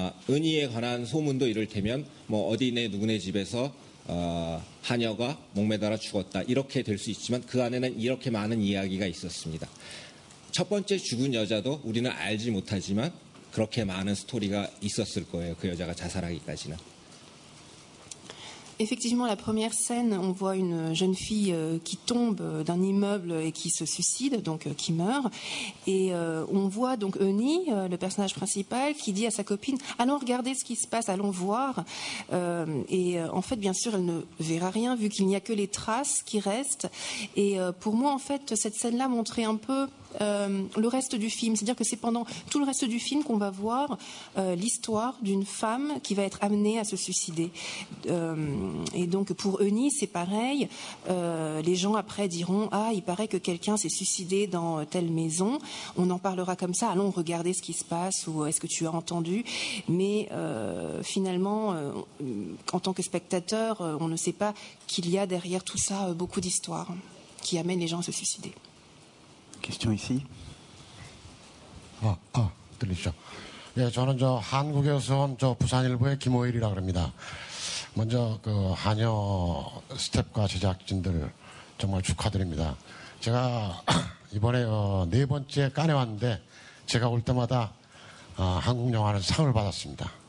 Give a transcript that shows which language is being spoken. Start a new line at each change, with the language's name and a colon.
Korean: 은희에 관한 소문도 이를테면 뭐 어디네 누구네 집에서 하녀가 목매달아 죽었다 이렇게 될 수 있지만 그 안에는 이렇게 많은 이야기가 있었습니다. 첫 번째 죽은 여자도 우리는 알지 못하지만 그렇게 많은 스토리가 있었을 거예요. 그 여자가 자살하기까지는.
French: Effectivement, la première scène, on voit une jeune fille qui tombe d'un immeuble et qui se suicide, donc qui meurt. Et on voit donc Eunie, le personnage principal, qui dit à sa copine « Allons regarder ce qui se passe, allons voir. » Et en fait, bien sûr, elle ne verra rien vu qu'il n'y a que les traces qui restent. Et pour moi, en fait, cette scène-là montrait un peu... le reste du film, c'est-à-dire que c'est pendant tout le reste du film qu'on va voir l'histoire d'une femme qui va être amenée à se suicider. Et donc pour Eunie, c'est pareil. Les gens après diront « Ah, il paraît que quelqu'un s'est suicidé dans telle maison. On en parlera comme ça. Allons regarder ce qui se passe ou est-ce que tu as entendu ?» Mais finalement, en tant que spectateur, on ne sait pas qu'il y a derrière tout ça beaucoup d'histoires qui amènent les gens à se suicider. Question ici.
Korean: Ah, ah, 들리죠. 예, 저는 저 한국에서 온 저 부산일보의 김호일이라고 합니다. 먼저 그 한여 스태프과 제작진들 정말 축하드립니다. 제가 이번에 네 번째 깐에 왔는데 제가 올 때마다 한국 영화는 상을 받았습니다.